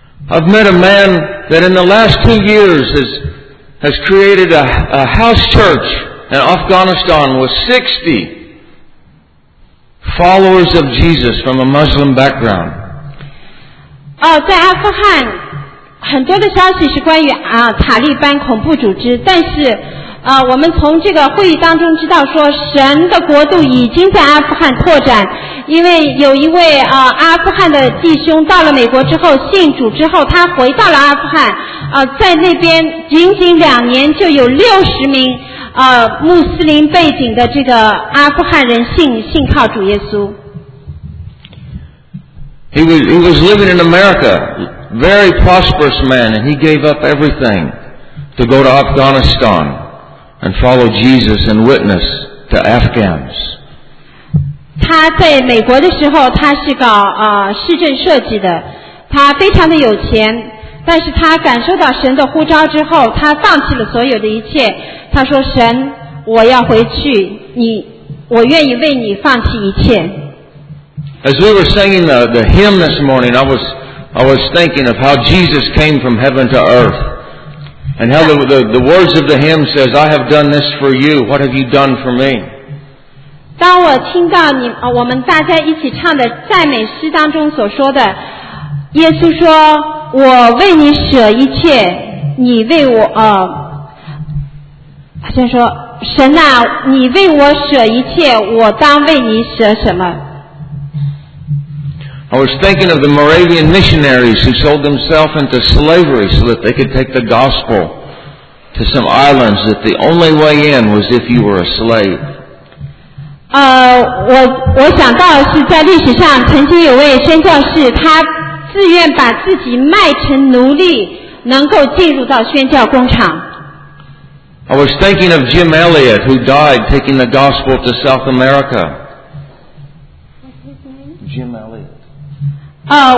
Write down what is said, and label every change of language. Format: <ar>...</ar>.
<en>I've met a man that in the last 2 years has created a house church in Afghanistan with 60 followers of Jesus from a Muslim background.</en> <zh>在阿富汗很多的消息是关于塔利班恐怖组织，但是我们从这个会议当中知道说神的国度已经在阿富汗拓展，因为有一位阿富汗的弟兄到了美国之后信主之后，他回到了阿富汗，在那边仅仅两年就有60名穆斯林背景的这个阿富汗人信靠主耶稣。</zh> <en>He was living in America, very prosperous man, and he gave up everything to go to Afghanistan and follow Jesus and witness to Afghans.</en> <zh>他在美国的时候他是搞市政设计的，他非常的有钱，但是他感受到神的呼召之后，他放弃了所有的一切，他说，神，我要回去，我愿意为你放弃一切。</zh> <en>As we were singing the hymn this morning, I was thinking of how Jesus came from heaven to earth. And how the words of the hymn says, "I have done this for you. What have you done for me?"</en> <zh>当我听到我们大家一起唱的赞美诗当中所说的，耶稣说，我为你舍一切，你为我他说神啊你为我舍一切我当为你舍什么</zh> <en>I was thinking of the Moravian missionaries who sold themselves into slavery so that they could take the gospel to some islands that the only way in was if you were a slave</en> <zh>我想到是在历史上曾经有位宣教士他自愿把自己卖成奴隶能够进入到宣教工厂</zh> <en>I was thinking of Jim Elliot who died taking the gospel to South America Jim Elliot</en>